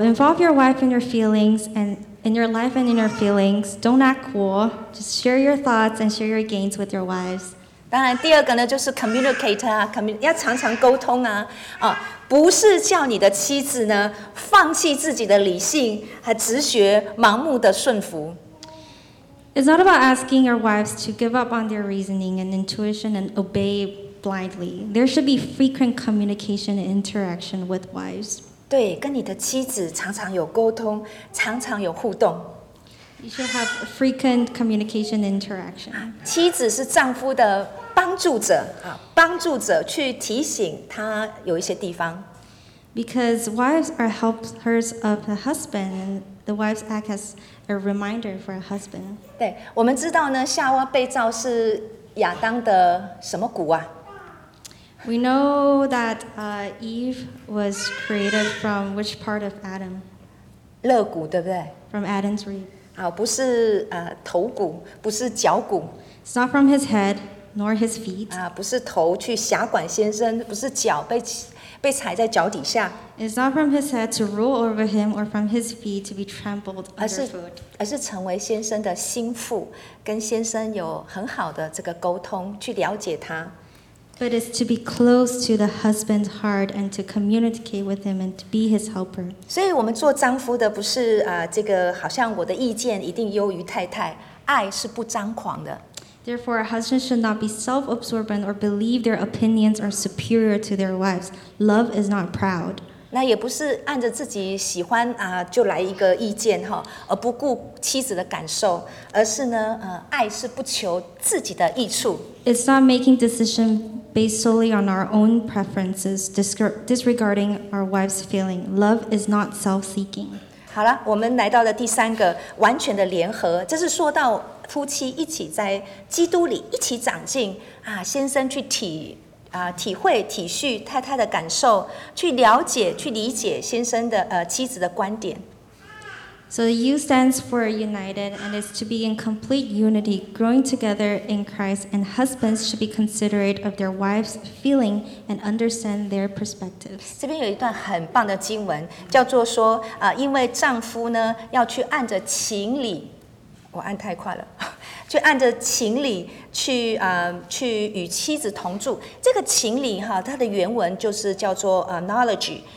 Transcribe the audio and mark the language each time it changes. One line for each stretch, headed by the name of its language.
English: Involve your wife in your feelings and in your life and in your feelings. Don't act cool. Just share your thoughts and share your gains with your wives.
Chinese: 当然，第二个呢就是 communicate 啊， communicate 要常常沟通啊，啊，不是叫你的妻子呢放弃自己的理性和直觉，盲目的顺服。
English: It's not about asking your wives to give up on their reasoning and intuition and obey. Blindly, there should be frequent communication and interaction with wives.
Chinese: 对，跟你的妻子常常有沟通，常常有互动。
English: You should have frequent communication and interaction.
Chinese: 妻子是丈夫的帮助者啊，帮助者去提醒他有一些地方。
English: Because wives are helpers of the husband, and the wives act as a reminder for a husband.
Chinese: 对，我们知道呢，夏娃被造是亚当的什么骨啊？
English: We know that Eve was created from which part of Adam?
Chinese: 肋骨，对不对？
English: From Adam's rib.
Chinese: 好，不是头骨，不是脚骨。
English: It's not from his head nor his feet.
Chinese: 不是头去辖管先生，不是脚被踩在脚底下。
English: It's not from his head to rule over him or from his feet to be trampled underfoot.
Chinese: 而是成为先生的心腹，跟先生有很好的这个沟通，去了解他。
English: But it's to be close to the husband's heart and to communicate with him and to be his helper.
Chinese: 所以我们做丈夫的不是这个好像我的意见一定优于太太，爱是不张狂的。
English: Therefore, a husband should not be self-absorbent or believe their opinions are superior to their wives. Love is not proud.
Chinese: 那也不是按着自己喜欢就来一个意见哈，而不顾妻子的感受，而是呢爱是不求自己的益处。
English: It's not making decision. Based solely on our own preferences, disregarding our wife's feeling, love is not self-seeking.
Chinese: 好了，我们来到了第三个完全的联合，这是说到夫妻一起在基督里一起长进啊，先生去体会体恤太太的感受，去了解去理解先生的妻子的观点。
English: So the U stands for united, and it's to be in complete unity, growing together in Christ, and husbands should be considerate of their wives' feeling and understand their perspectives.
Chinese: 这边有一段很棒的经文，叫做说，因为丈夫呢，要去按着情理，我按太快了，去按着情理去，去与妻子同住。这个情理哈，它的原文就是叫做knowledge。